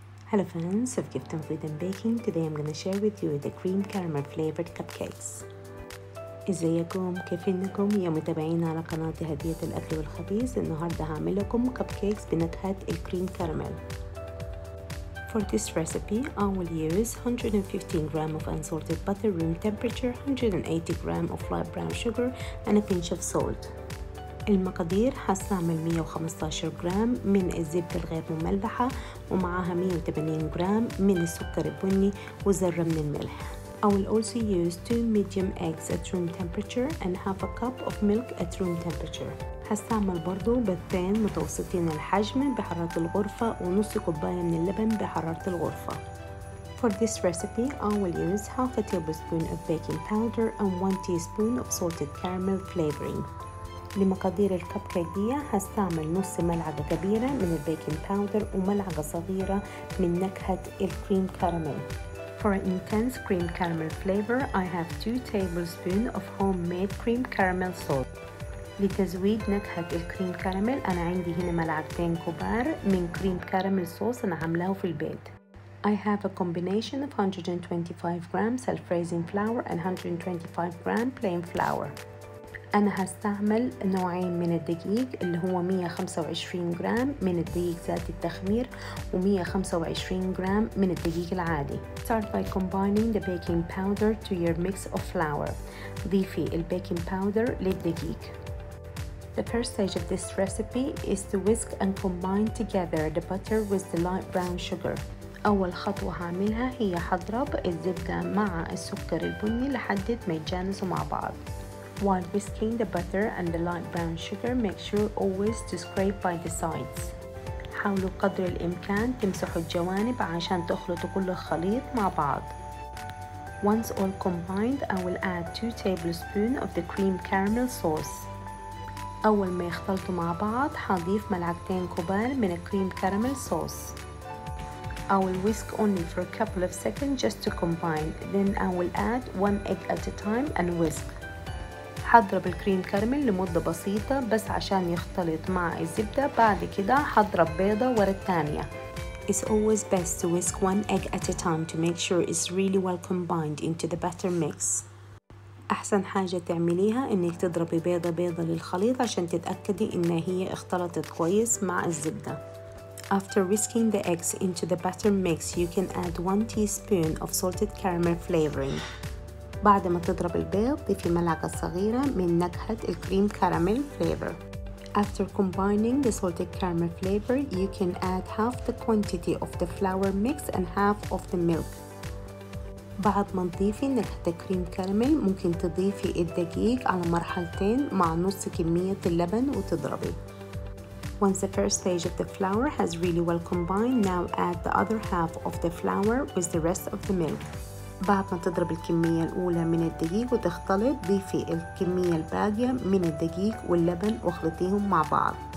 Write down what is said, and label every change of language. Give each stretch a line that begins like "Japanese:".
English: Hello friends of Gift and Freedom Baking. Today I'm going to share with you the cream caramel flavored cupcakes.
Arabic: ازيكم كيفين لكم يا متابعين على قناتي هدية الأكل والخبيز. النهاردة هعمل لكم cupcakes بنكهة الكريم كارميل.
English: For this recipe I will use 115 gram of unsalted butter, room temperature, 180 gram of light brown sugar and a pinch of salt.
Arabic: المقادير هستعمل 115 جرام من الزبدة الغير مملحة ومعها 180 جرام من السكر البني وذرة من الملح.
English: I will also use 2 medium eggs at room temperature and half a cup of milk at room temperature.
Arabic: هستعمل برضو بيضتين متوسطين الحجم بحرارة الغرفة ونص كوباية من اللبن بحرارة الغرفة.
English: For this recipe, I will use half a tablespoon of baking powder and 1 teaspoon of salted caramel flavoring.
Arabic: لمقادير الكبكيك دي هستعمل نص ملعقة كبيرة من البيكنج باودر وملعقة صغيرة من نكهة الكريم كارميل.
English: For an intense cream caramel flavor, I have 2 tablespoons of homemade cream caramel salt.
Arabic: لتزويد نكهة الكريم كارميل أنا عندي هنا ملعقتين كبار من كريم كارميل صوص أنا عاملاه في البيت.
English: I have a combination of 125 gram self-raising flour and 125 gram plain flour.
Arabic: أنا هستعمل نوعين من الدقيق اللي هو 125 جرام من الدقيق ذات التخمير و 125 جرام من الدقيق العادي.
English: Start by combining the baking powder to your mix of flour.
Arabic: ضيفي البيكنج باودر للدقيق.
English: The first stage of this recipe is to whisk and combine together the butter with the light brown sugar.
Arabic: أول خطوة هعملها هي هضرب الزبدة مع السكر البني لحد ما يتجانسوا مع بعض.
English: While whisking the butter and the light brown sugar, make sure always to scrape by the sides.
Arabic: حاولوا قدر الإمكان تمسحوا الجوانب عشان تخلطوا كل الخليط مع بعض.
English: Once all combined, I will add 2 tablespoons of the cream caramel sauce. أول ما يختلطوا مع بعض هضيف ملعقتين كبار من الكريم caramel sauce. I will whisk only for a couple of seconds just to combine. Then I will add 1 egg at a time and whisk.
Arabic: هضرب الكريم كارميل لمدة بسيطة بس عشان يختلط مع الزبدة. بعد كده هضرب بيضة ورا التانية.
English: It's always best to whisk 1 egg at a time to make sure it's really well combined into the batter mix.
Arabic: أحسن حاجة تعمليها إنك تضربي بيضة بيضة للخليط عشان تتأكدي إن هي اختلطت كويس مع الزبدة.
English: After whisking the eggs into the batter mix, you can add 1 teaspoon of salted caramel flavoring.
Arabic: بعد ما تضرب البيض ضيفي ملعقة صغيرة من نكهة الكريم كاراميل flavor.
English: After combining the salted caramel flavor, you can add half the quantity of the flour mix and half of the milk.
Arabic: بعد ما تضيفي نكهة الكريم كاراميل ممكن تضيفي الدقيق على مرحلتين مع نص كمية اللبن وتضربي.
English: Once the first stage of the flour has really well combined, now add the other half of the flour with the rest of the milk.
Arabic: بعد ما تضرب الكمية الأولى من الدقيق وتختلط ضيفي الكمية الباقية من الدقيق واللبن واخلطيهم مع بعض.